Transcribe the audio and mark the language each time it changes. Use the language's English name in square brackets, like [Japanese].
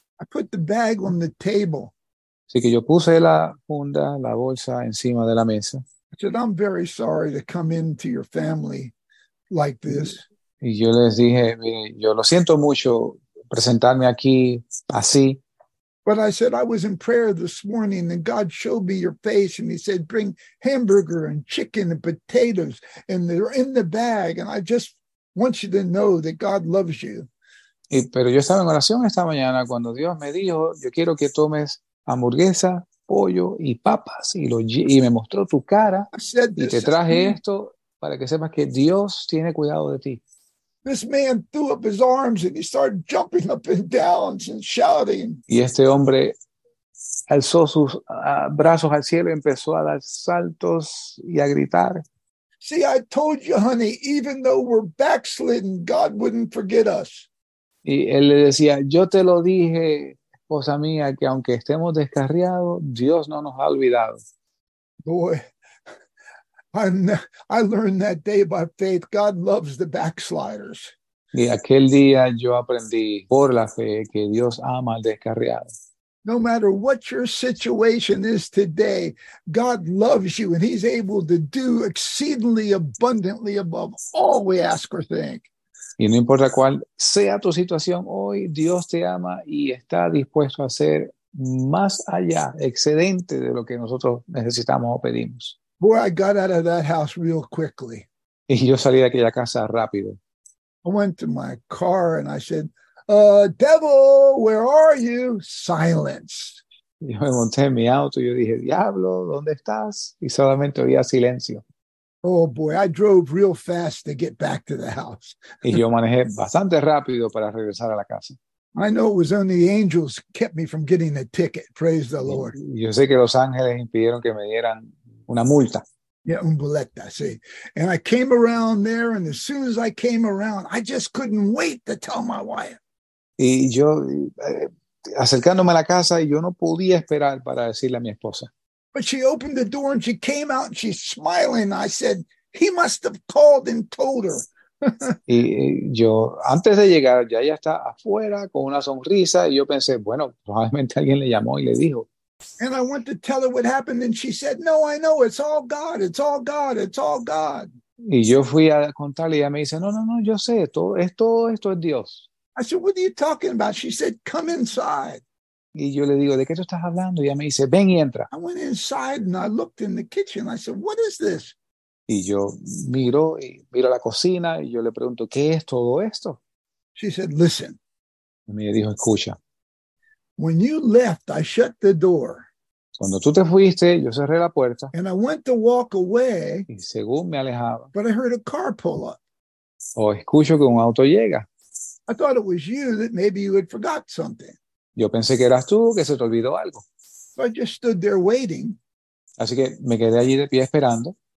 [English] I put the bag on the table. [Spanish] Así que yo puse la funda, la bolsa encima de la mesa. [English] I said, I'm very sorry to come into your family like this. [Spanish] Y yo les dije, mire, yo lo siento mucho presentarme aquí así. [English] But I said, I was in prayer this morning and God showed me your face and he said, bring hamburger and chicken and potatoes and they're in the bag and I just want you to know that God loves you. [Spanish] Y, pero yo estaba en oración esta mañana cuando Dios me dijo, yo quiero que tomes hamburguesa, pollo y papas y me mostró tu cara y te traje esto para que sepas que Dios tiene cuidado de ti. [English] This man threw up his arms and he started jumping up and down and shouting. [Spanish] Y este hombre alzó sus brazos al cielo y empezó a dar saltos y a gritar. [English] See, I told you, honey, even though we're backslidden, God wouldn't forget us. [Spanish] Y él le decía, yo te lo dije, esposa mía, que aunque estemos descarriados, Dios no nos ha olvidado. [English] Boy. I learned that day by faith. God loves the backsliders. [Spanish] Y aquel día yo aprendí por la fe que Dios ama al descarriado. [English] No matter what your situation is today, God loves you and he's able to do exceedingly abundantly above all we ask or think. [Spanish] Y no importa cuál sea tu situación hoy, Dios te ama y está dispuesto a hacer más allá, excedente de lo que nosotros necesitamos o pedimos. [English] Boy, I got out of that house real quickly. [Spanish] Y yo salí de aquella casa rápido. [English] I went to my car and I said, devil, where are you? Silence. [Spanish] Yo me monté en mi auto y yo dije, diablo, ¿dónde estás? Y solamente oía silencio. [English] Oh boy, I drove real fast to get back to the house. [Spanish] Y yo manejé bastante rápido para regresar a la casa. [English] I know it was only the angels kept me from getting a ticket. Praise the Lord. [Spanish] Yo sé que los ángeles impidieron que me dieran una multa. [English] Yeah, [Spanish] un boleta, [English] see. And I came around there, and as soon as I came around, I just couldn't wait to tell my wife. [Spanish] Y yo, acercándome a la casa, yo no podía esperar para decirle a mi esposa. [English] But she opened the door, and she came out, and she's smiling. I said, he must have called and told her. [Spanish] Y yo, antes de llegar, ya ella está afuera con una sonrisa, y yo pensé, bueno, probablemente alguien le llamó y le dijo. [English] And I went to tell her what happened, and she said, no, I know, it's all God, it's all God, it's all God. [Spanish] Y yo fui a contarle, y ella me dice, no, yo sé, todo esto es Dios. [English] I said, what are you talking about? She said, come inside. [Spanish] Y yo le digo, ¿de qué tú estás hablando? Y ella me dice, ven y entra. [English] I went inside, and I looked in the kitchen. I said, what is this? [Spanish] Y yo miro la cocina, y yo le pregunto, ¿qué es todo esto? [English] She said, listen. [Spanish] Y me dijo, escucha. [English] When you left, I shut the door. [Spanish] Cuando tú te fuiste, yo cerré la puerta. [English] And I went to walk away. [Spanish] Y según me alejaba. [English] But I heard a car pull up. [Spanish] O escucho que un auto llega. [English] I thought it was you, that maybe you had forgot something. [Spanish] Yo pensé que eras tú, que se te olvidó algo. [English] So I just stood there waiting. [Spanish] Así que me quedé allí de pie esperando.